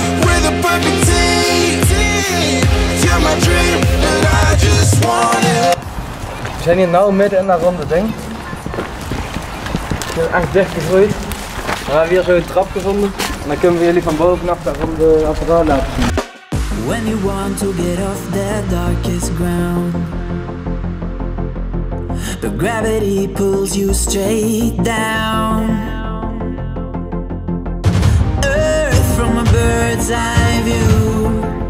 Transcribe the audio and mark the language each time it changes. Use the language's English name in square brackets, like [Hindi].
[English] We're the perfect team. You're my dream, and I just want it. [Dutch] We zijn hier nou midden in dat ronde ding. Het is echt dicht gegroeid. We hebben hier zo'n trap gevonden. En dan kunnen we jullie van bovenaf daar rond de apparaat laten zien. [English] When you want to get off the darkest ground, the gravity pulls you straight down. Earth from a bird's eye view.